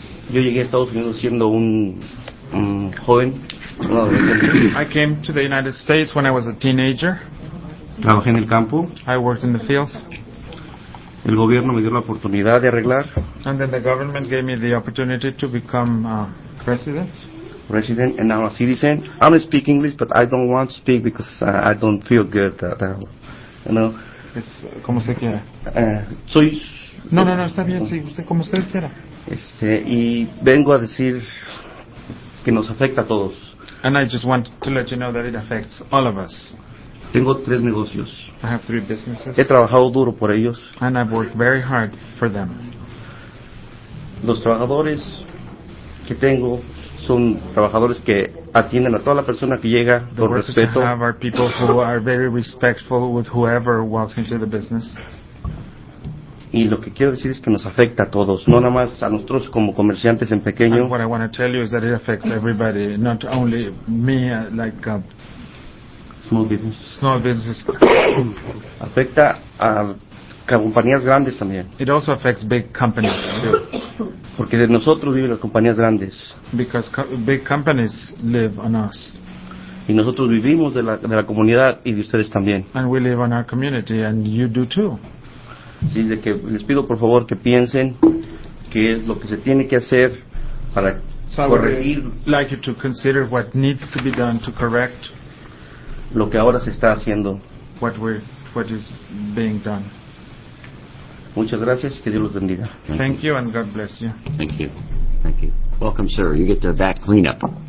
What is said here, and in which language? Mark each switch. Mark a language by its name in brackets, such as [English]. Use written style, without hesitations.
[Spanish] Yo llegué a Estados Unidos siendo un joven. [English] I came to the United States when I was a teenager. [Spanish] Trabajé en el campo. [English] I worked in the fields. [Spanish] El gobierno me dio la oportunidad de arreglar. [English] And then the government gave me the opportunity to become president. Resident, and now a citizen. I don't speak English, but I don't want to speak because I don't feel good. You know. [Spanish] Es como se quiera. Soy. No, está bien, sí, usted como usted quiera. Y vengo a decir que nos afecta a todos. [English] And I just want to let you know that it affects all of us. [Spanish] Tengo tres negocios. [English] I have three businesses. [Spanish] He trabajado duro por ellos. [English] And I've worked very hard for them. [Spanish] Los trabajadores que tengo son trabajadores que atienden a toda la persona que llega con respeto. [English] I have our people who are very respectful with whoever walks into the business. [Spanish] Y lo que quiero decir es que nos afecta a todos, no nada más a nosotros como comerciantes en pequeño. [English] And what I want to tell you is that it affects everybody, not only me, like small businesses. [Spanish] Afecta a compañías grandes también. [English] It also affects big companies too. [Spanish] Porque de nosotros viven las compañías grandes. [English] Because big companies live on us. [Spanish] Y nosotros vivimos de la comunidad y de ustedes también. [English] And we live on our community and you do too. [Spanish] Sí, de que les pido por favor que piensen qué es lo que se tiene que hacer para corregir. [English] Like you to consider what needs to be done to correct [Spanish] lo que ahora se está haciendo. [English] What is being done. [Spanish] Muchas gracias y que Dios los bendiga. [English] Thank you and God bless you. Thank you. Welcome, sir. You get the back cleanup.